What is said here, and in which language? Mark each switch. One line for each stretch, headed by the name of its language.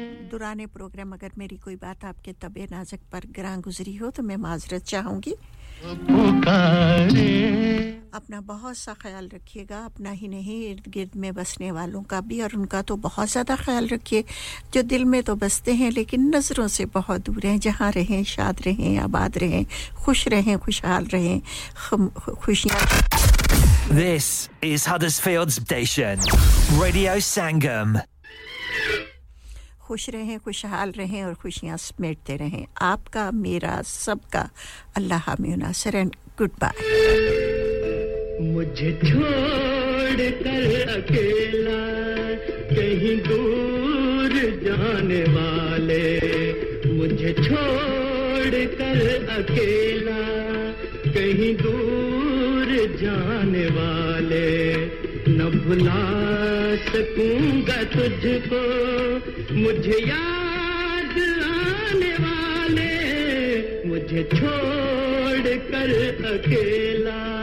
Urdu: دوران پروگرام اگر میری کوئی بات آپ کے طبع نازک پر گران گزری ہو تو میں معذرت چاہوں گی اپنا بہت سا خیال رکھیے گا اپنا ہی نہیں ارد گرد میں بسنے والوں کا بھی اور ان کا تو بہت زیادہ خیال رکھیے جو دل میں تو بستے ہیں لیکن نظروں سے بہت دور ہیں جہاں رہیں شاد رہیں آباد رہیں خوش رہیں خوشحال رہیں خوشیاں
English: This is Huddersfield Station Radio Sangam
Urdu: خوش رہیں خوشحال رہیں اور خوشیاں سمیٹتے رہیں آپ کا میرا سب کا اللہ حامینا
English: sir and goodbye
Urdu: مجھے چھوڑ کر اکیلا کہیں دور جانے والے مجھے چھوڑ کر اکیلا کہیں دور جانے والے نہ بھلا سکوں گا تجھ کو مجھے یاد آنے والے مجھے چھوڑ کر اکیلا